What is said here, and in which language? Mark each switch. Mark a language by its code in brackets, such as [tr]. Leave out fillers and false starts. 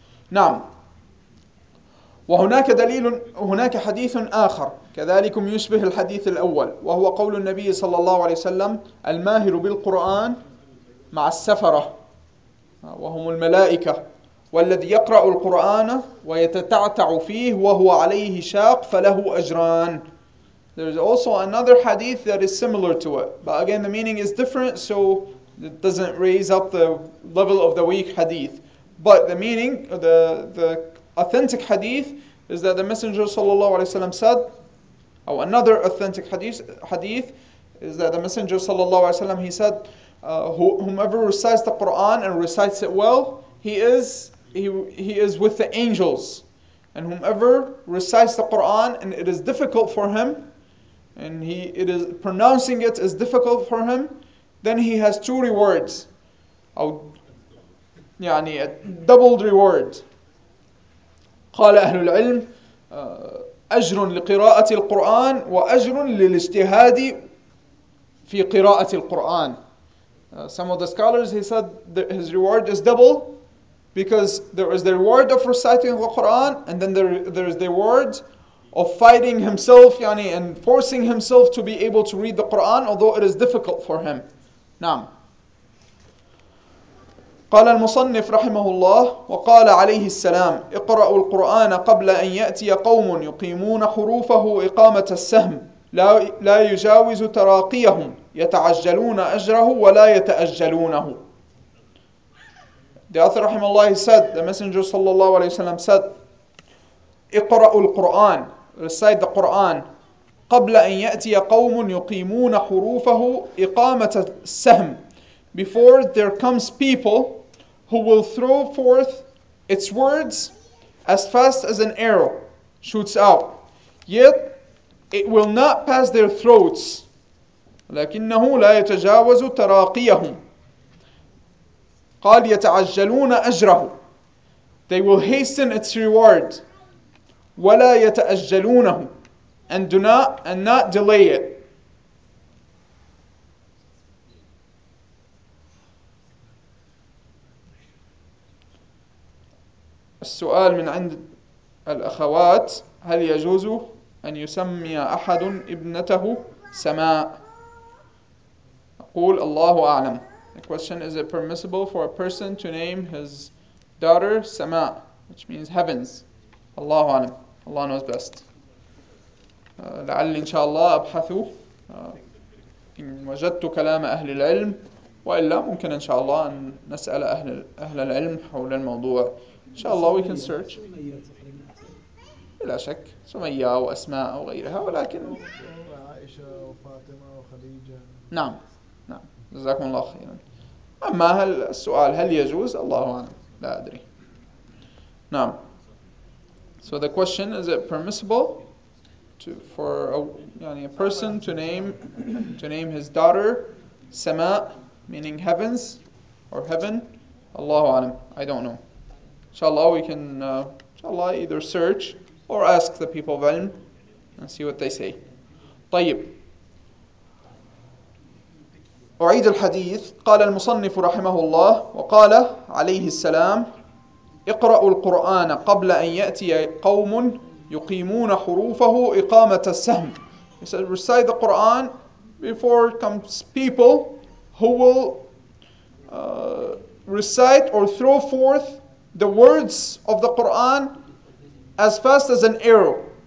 [ar] نعم. وهناك دليل، هناك حديث آخر كذلك يشبه الحديث الأول، وهو قول النبي صلى الله عليه وسلم الماهر بالقرآن مع السفرة وهم الملائكة، والذي يقرأ القرآن ويتتعتع فيه وهو عليه شاق فله أجران. [en] There is also another hadith that is similar to it, but again the meaning is different, so it doesn't raise up the level of the weak hadith. But the meaning, the authentic hadith, is that the Messenger sallallahu alayhi wa sallam said, or another authentic hadith is that the Messenger sallallahu alayhi wa sallam, he said, whomever recites the Quran and recites it well, he is with the angels. And whomever recites the Quran and it is difficult for him, and pronouncing it is difficult for him, then he has two rewards. يعني a doubled reward. [ar] قال أهل العلم أجر لقراءة القرآن وأجر للاجتهاد في قراءة القرآن. [en] Some of the scholars, he said, his reward is double, Because there is the reward of reciting the Quran, and then there is the reward of fighting himself, yani, and forcing himself to be able to read the Quran, although it is difficult for him. [ar] Naam. قال المصنف رحمه الله وقال عليه السلام اقرأوا القرآن قبل أن يأتي قوم يقيمون حروفه إقامة السهم لا يجاوز تراقيهم يتعجلون أجره ولا يتأجلونه. [en] The author رحمه الله said, the messenger صلى الله عليه وسلم said, [ar] اقرأوا القرآن, [en] recite the Quran, [ar] قبل أن يأتي قوم يقيمون حروفه إقامة السهم, [en] before there comes people who will throw forth its words as fast as an arrow shoots out. Yet, it will not pass their throats. [ar] لكنه لا يتجاوز تراقيهم. قال يتعجلون أجره. [en] They will hasten its reward. [ar] ولا يتأجلونه. [en] And do not, and not delay it. [ar] السؤال من عند الأخوات هل يجوز أن يسمي أحد ابنته سماء؟ أقول الله أعلم. [en] The question is it permissible for a person to name his daughter سماء, which means heavens. [ar] الله أعلم. [en] Allah knows best. [ar] لعل إن شاء الله أبحث إن وجدت كلام أهل العلم وإلا ممكن إن شاء الله أن نسأل أهل العلم حول الموضوع. إن شاء الله [en] we can search. [ar] لا شك سمية وأسماء وغيرها, ولكن عائشة وفاطمة وخديجة. نعم نعم جزاكم الله خيرا. أما هل السؤال هل يجوز, الله أعلم, لا أدري. نعم. [en] So the question is it permissible to for a, يعني a person to name his daughter سماء, meaning heavens or heaven. [ar] الله أعلم, [en] I don't know. Inshallah, we can inshallah either search or ask the people of ilm and see what they say. [ar] طيب. أعيد الحديث. قال المصنف رحمه الله وقال عليه السلام اقرأوا القرآن قبل أن يأتي قوم يقيمون حروفه إقامة السهم. [en] He said, recite the Quran before comes people who will recite or throw forth the words of the Quran as fast as an arrow.